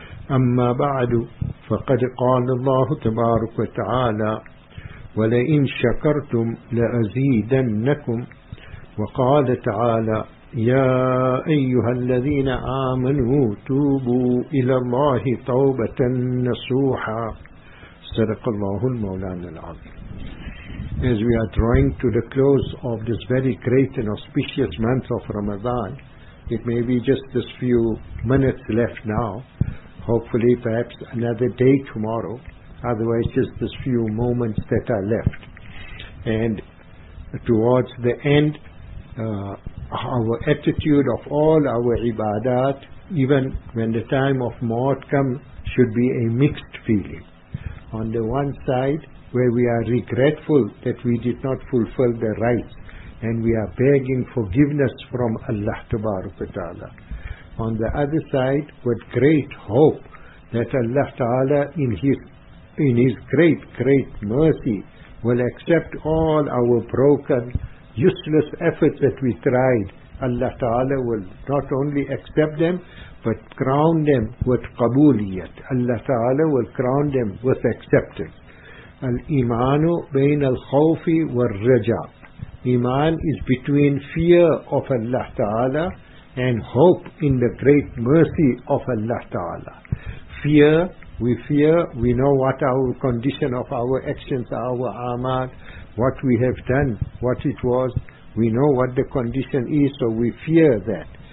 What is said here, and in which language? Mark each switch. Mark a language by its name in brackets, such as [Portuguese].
[Arabic] أما بعد، فقد قال الله تبارك وتعالى: ولئن شكرتم لأزيدنكم. وقال تعالى: يا أيها الذين آمنوا توبوا إلى الله توبة نصوحا. صدق الله المولانا العظيم. [English] As we are drawing to the close of this very great and auspicious month of Ramadan, it may be just this few minutes left now, hopefully perhaps another day tomorrow, otherwise just this few moments that are left. And towards the end, our attitude of all our ibadat, even when the time of maut comes, should be a mixed feeling. On the one side, where we are regretful that we did not fulfill the rites, and we are begging forgiveness from Allah Tabaraka Ta'ala. On the other side, with great hope that Allah Ta'ala in his great, great mercy will accept all our broken, useless efforts that we tried. Allah Ta'ala will not only accept them, but crown them with qabooliyat. Allah Ta'ala will crown them with acceptance. [Arabic] الإيمان بين الخوف والرجاء. [English] Iman is between fear of Allah Ta'ala and hope in the great mercy of Allah Ta'ala. Fear, we know what our condition of our actions, our amal, what we have done, what it was, we know what the condition is, so we fear that.